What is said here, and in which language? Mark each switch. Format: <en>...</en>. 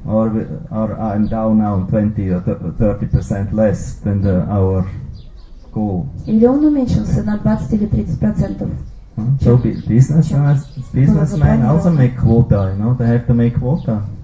<en>Or I'm down now 20 or 30% less than our goal.</en> <ru>Или он уменьшился на 20 или 30%?</ru> <en>So businessmen also make quota, you know, they have to make quota.</en>